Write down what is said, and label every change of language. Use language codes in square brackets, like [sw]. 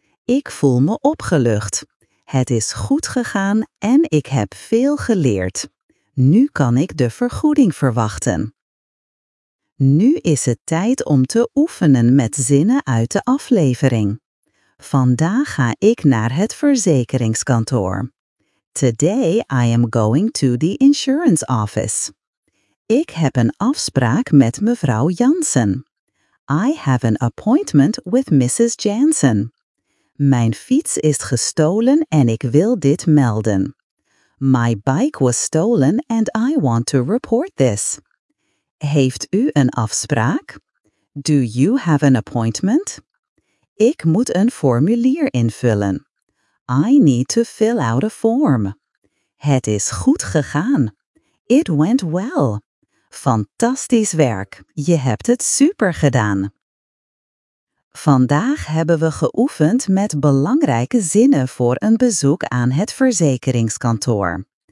[nl] Ik voel me opgelucht. Het is goed gegaan en ik heb veel geleerd. Nu kan ik de vergoeding verwachten. Nu is het tijd om te oefenen met zinnen uit de aflevering. Vandaag ga ik naar het verzekeringskantoor. [en] Today I am going to the insurance office. [nl] Ik heb een afspraak met mevrouw Jansen. [en] I have an appointment with Mrs. Jansen. [nl] Mijn fiets is gestolen en ik wil dit melden. [en] My bike was stolen and I want to report this. [nl] Heeft u een afspraak? [en] Do you have an appointment? [nl] Ik moet een formulier invullen. [en] I need to fill out a form. [nl] Het is goed gegaan. [en] It went well. [nl] Fantastisch werk. Je hebt het super gedaan. Vandaag hebben we geoefend met belangrijke zinnen voor een bezoek aan het verzekeringskantoor.